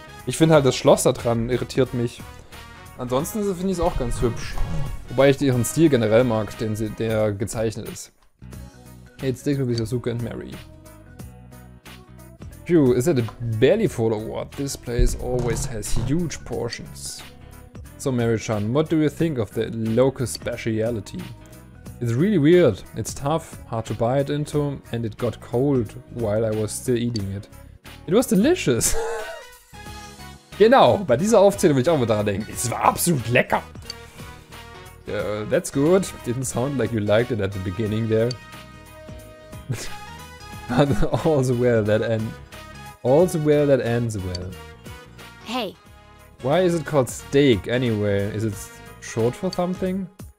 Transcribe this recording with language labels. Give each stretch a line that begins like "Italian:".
German: Ich finde halt das Schloss da dran irritiert mich. Ansonsten finde ich es auch ganz hübsch. Wobei ich ihren Stil generell mag, der gezeichnet ist.
English: It sticks with Yosuke and Mary. Phew, is that a belly full or what? This place always has huge portions. So Mary-chan, what do you think of the locust speciality? It's really weird. It's tough, hard to bite into, and it got cold while I was still eating it. It was delicious.
German: Genau, bei dieser Aufzählung will ich auch mal daran denken. Es war absolut lecker.
English: That's good. Didn't sound like you liked it at the beginning there. But all's well that ends well. Hey. Why is it called steak anyway? Is it short for something?